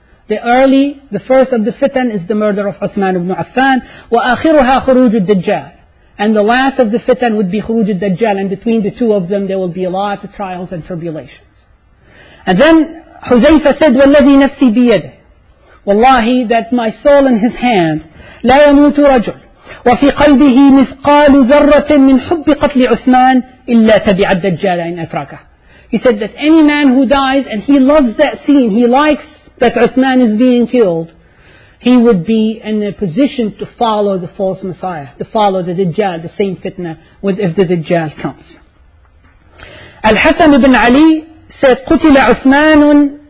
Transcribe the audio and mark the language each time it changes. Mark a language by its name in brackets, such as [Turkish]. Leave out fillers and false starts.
[English] The first of the fitan is the murder of Uthman ibn Affan. [Arabic] وَآخِرُهَا خُرُوجُ الدَّجَّالِ. [English] And the last of the fitan would be [Arabic] خُرُوجُ الدَّجَّالِ. [English] And between the two of them, there will be a lot of trials and tribulations. And then Hudhayfa said, [Arabic] وَالَّذِي نَفْسِي بِيَدِهِ. [English] Wallahi, that my soul in his hand, [Arabic] لا يموت رجل وفي قلبه مثقال ذرة من حب قتل عثمان إلا تبع الدجال إن أتركه. [English] He said that any man who dies and he loves that scene, he likes that Uthman is being killed, he would be in a position to follow the false Messiah, to follow the Dajjal, the same fitna, with if the Dajjal comes. Al-Hasan ibn Ali said, [Arabic] قتل عثمان.